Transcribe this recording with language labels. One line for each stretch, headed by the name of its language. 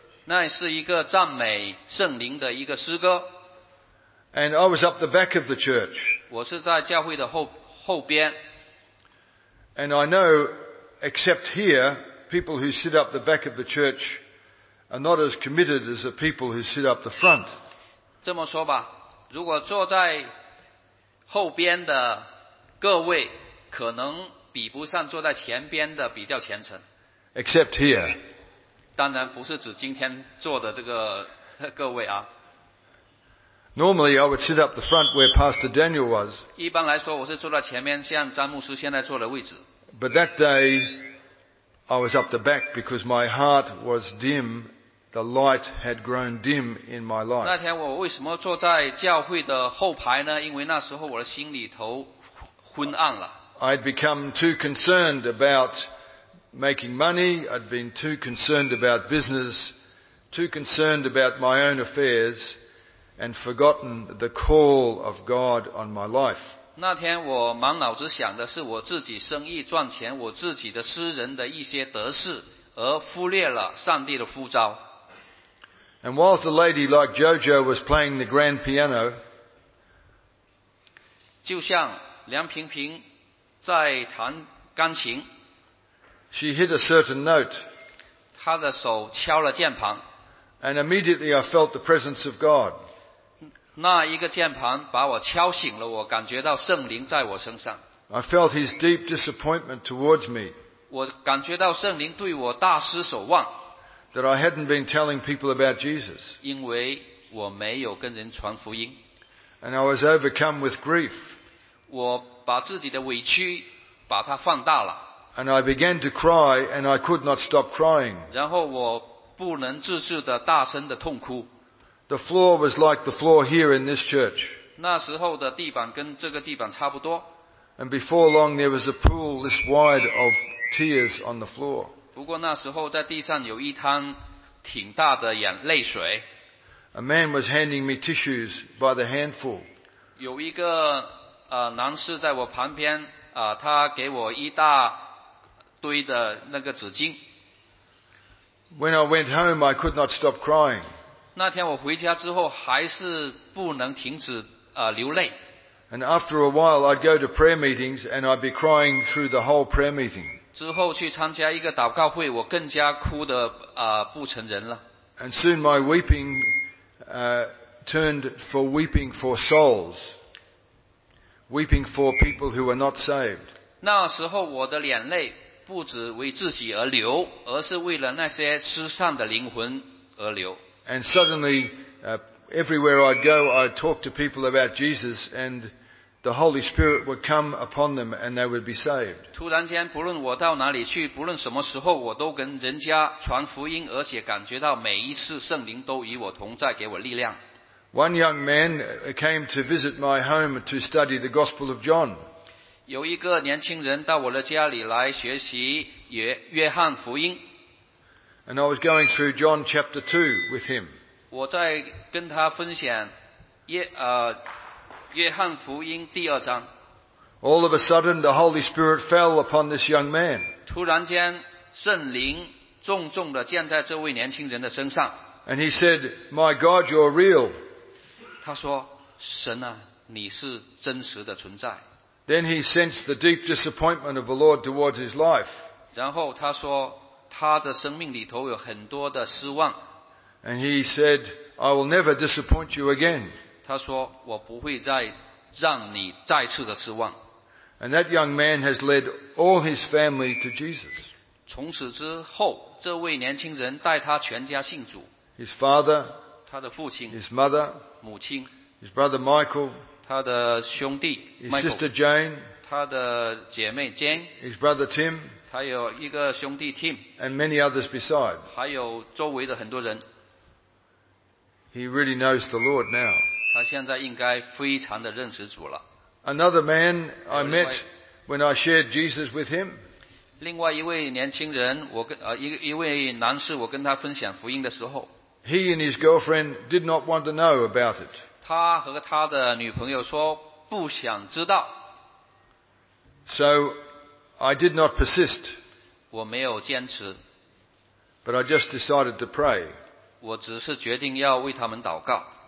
Chinese: 那是一个赞美圣灵的一个诗歌。
English: And I was up the back of the church.
Chinese: 我是在教会的后边。
English: And I know, except here,people who sit up the back of the church are not as committed as the people who sit up the front.
Chinese: 这么说吧，如果坐在后边的各位可能比不上坐在前边的比较虔诚。
English: Except here.
Chinese: 当然不是指今天坐的这个各位啊。
English: Normally I would sit up the front where Pastor Daniel was.
Chinese: 一般来说我是坐在前面，像詹牧师现在坐的位置。
English: But that day,I was up the back because my heart was dim. The light had grown dim in my life.
Chinese: 那天我为什么坐在教会的后排呢？因为那时候我的心里头昏暗了。
English: I'd become too concerned about making money. I'd been too concerned about business, too concerned about my own affairs, and forgotten the call of God on my life.
Chinese: 那天我满脑子想的是我自己生意赚钱，我自己的私人的一些得势，而忽略了上帝的呼召。
English: And whilst the lady like JoJo was playing the grand piano,
Chinese: 就像梁平平在弹钢琴
English: ，she hit a certain note.
Chinese: 她的手敲了键盘
English: ，and immediately I felt the presence of God.
Chinese: 那一个键盘把我敲醒了，我感觉到圣灵在我身上。
English: I felt his deep disappointment towards me.
Chinese: 我感觉到圣灵对我大失所望。
English: That I hadn't been telling people about Jesus.
Chinese: 因为我没有跟人传福音。
English: And I was overcome with grief.
Chinese: 我把自己的委屈把它放大了。
English: And I began to cry and I could not stop crying.
Chinese: 然后我不能自制的大声的痛哭。
English: The floor was like the floor here in this church.
Chinese: 那时候的地板跟这个地板差不多。
English: And before long, there was a pool this wide of tears on the floor.
Chinese: 不过那时候在地上有一滩挺大的泪水。
English: A man was handing me tissues by the handful.
Chinese: 有一个男士在我旁边他给我一大堆的那个纸巾。
English: When I went home, I could not stop crying.
Chinese: 那天我回家之后还是不能停止流泪。
English: And after a while, I'd go to prayer meetings and I'd be crying through the whole prayer meeting.
Chinese: 之后去参加一个祷告会，我更加哭得不成人了。
English: And soon my weeping turned for weeping for souls. weeping for people who were not saved.
Chinese: 那时候我的眼泪不只为自己而流，而是为了那些失丧的灵魂而流。
English: And suddenly, everywhere I'd go, I'd talk to people about Jesus, and the Holy Spirit would come upon them, and they would be saved.
Chinese: 突然间，不论我到哪里去，不论什么时候，我都跟人家传福音，而且感觉到每一次圣灵都与我同在，给我力量。
English: One young man came to visit my home to study the Gospel of John.
Chinese: 有一个年轻人到我的家里来学习约翰福音。
English: And I was going through John chapter 2 with him.
Chinese: 我在跟他分享约翰福音第二章。
English: All of a sudden, the Holy Spirit fell upon this young man.
Chinese: 突然间，圣灵重重地降在这位年轻人的身上。
English: And he said, "My God, you're real."
Chinese: 他说，神啊，你是真实的存在。
English: Then he sensed the deep disappointment of the Lord towards his life.
Chinese: 然后他说，他的生命里头有很多的失望。
English: And he said, "I will never disappoint you again."
Chinese: 他说，我不会再让你再次的失望。
English: And that young man has led all his family to Jesus.
Chinese: 从此之后，这位年轻人带他全家信主。
English: His father,
Chinese: 他的父亲
English: ；his mother,
Chinese: 母亲
English: ；his brother Michael,
Chinese: 他的兄弟
English: ；his sister Jane,
Chinese: 他的姐妹 Jane,
English: his brother Tim.
Chinese: 还有一个兄弟 Tim,
English: and many others beside.
Chinese: 还有周围的很多人。
English: He really knows the Lord now.
Chinese: 他现在应该非常的认识主了。
English: Another man I met when I shared Jesus with him.
Chinese: 另外一位年轻人，一位男士，我跟他分享福音的时候。
English: He and his girlfriend did not want to know about it.
Chinese: 他和他的女朋友说不想知道。
English: So. I did not persist.
Chinese: 我没有坚持。
English: But I just decided to pray.
Chinese: 我只是决定要为他们祷告。